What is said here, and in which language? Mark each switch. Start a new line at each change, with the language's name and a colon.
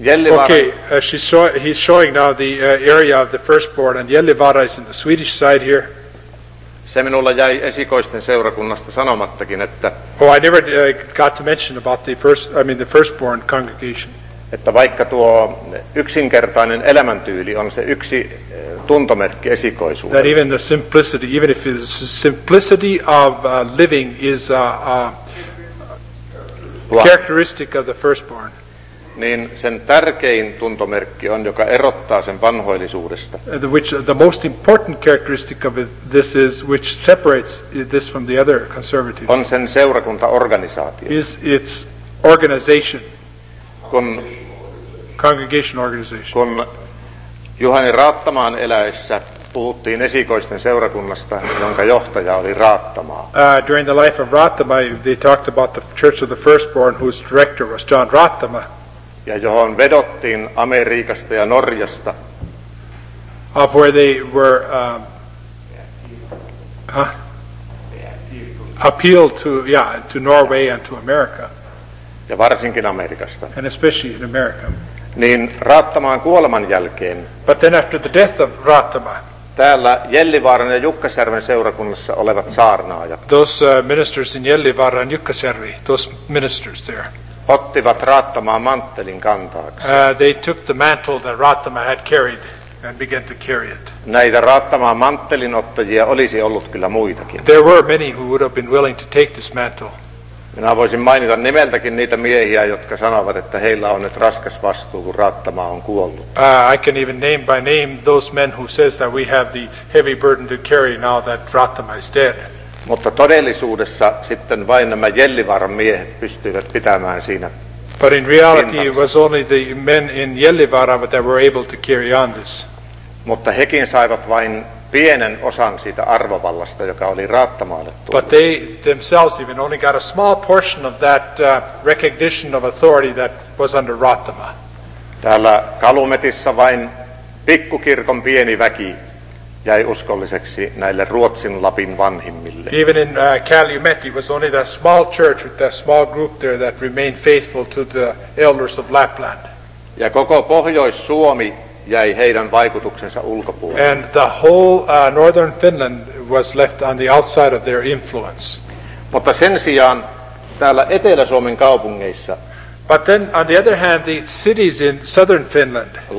English: Okay, he's showing now the area of the firstborn, and Jellivaara is in the Swedish side here.
Finnish: Se minulla jäi esikoisten seurakunnasta sanomattakin, että...
English: Oh, I never got to mention about the firstborn congregation.
Finnish: Että vaikka tuo yksinkertainen elämäntyyli on se yksi tuntomerkki esikoisuudesta.
English: That even the simplicity, even if the simplicity of living is a characteristic of the firstborn.
Finnish: Niin sen tärkein tuntomerkki on, joka erottaa sen vanhoillisuudesta.
English: Which the most important characteristic of it, this is, which separates this from the other conservatives.
Finnish: On sen seurakuntaorganisaatio.
English: Is its organization.
Finnish: Kun
English: congregation organization.
Finnish: Kun Juhani Raattamaan eläessä puhuttiin esikoisten seurakunnasta, jonka johtaja oli Raattamaa.
English: During the life of Raattama, they talked about the Church of the Firstborn, whose director was John Raattama.
Finnish: Ja johon vedottiin Amerikasta ja Norjasta.
English: Of where they were appealed to, yeah, to Norway and to America.
Finnish: Ja varsinkin Amerikasta.
English: And especially in America.
Finnish: Niin Raattamaan kuoleman jälkeen.
English: But then after the death of Raattama.
Finnish: Täällä Jellivaaran ja Jukkasjärven seurakunnassa olevat saarnaajat.
English: Those ministers in Jellivaara and Jukkasjärvi, those ministers there.
Finnish: Ottivat Raattamaan manttelin kantaaksi.
English: They took the mantle that Raattama had carried and began to carry it.
Finnish: Näitä Raattamaan manttelin ottajia olisi ollut kyllä muitakin.
English: There were many who would have been willing to take this mantle.
Finnish: Minä voisin mainita nimeltäkin niitä miehiä, jotka sanovat, että heillä on nyt raskas vastuu, kun Raattamaa on kuollut.
English: I can even name by name those men who says that we have the heavy burden to carry now that Raattamaa is dead.
Finnish: Mutta todellisuudessa sitten vain nämä Jellivaaran miehet pystyivät pitämään siinä.
English: But in reality it was only the men in Jellivaara that were able to carry on this.
Finnish: Mutta hekin saivat vain pienen osan siitä arvovallasta, joka oli Raattamaalle tullut.
English: But they themselves even only got a small portion of that recognition of authority that was under Raattamaa.
Finnish: Täällä Kalumetissa vain pikkukirkon pieni väki jäi uskolliseksi näille Ruotsin Lapin vanhimmille.
English: Even in Calumet, it was only that small church with that small group there that remained faithful to the elders of Lapland.
Finnish: Ja koko Pohjois-Suomi jäi heidän vaikutuksensa ulkopuolelle.
English: And the whole northern Finland was left on the outside of their influence.
Finnish: Mutta sen sijaan täällä Etelä-Suomen kaupungeissa.
English: But then, on the other hand, the cities in southern Finland.